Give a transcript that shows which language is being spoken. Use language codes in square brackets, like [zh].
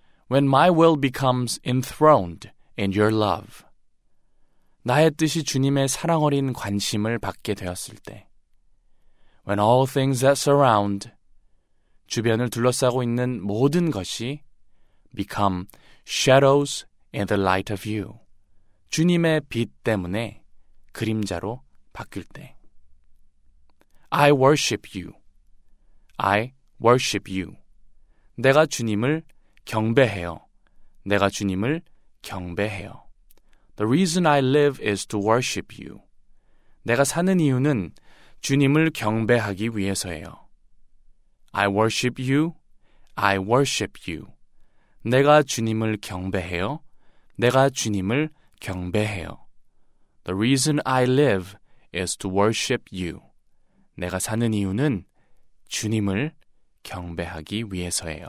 [en] When my will becomes enthroned in your love [ko] 나의 뜻이 주님의 사랑 어린 관심을 받게 되었을 때 [en] When all things that surround [ko] 주변을 둘러싸고 있는 모든 것이 [en] become shadows in the light of you [ko] 주님의 빛 때문에 그림자로 바뀔 때 [en] I worship you. I worship you. [ko] 내가 주님을 경배해요. 내가 주님을 경배해요. [en] The reason I live is to worship you. [ko] 내가 사는 이유는 주님을 경배하기 위해서예요. [en] I worship you. I worship you. [ko] 내가 주님을 경배해요. 내가 주님을 경배해요. [en] The reason I live is to worship you. [ko] 내가 사는 이유는 주님을 경배하기 위해서예요.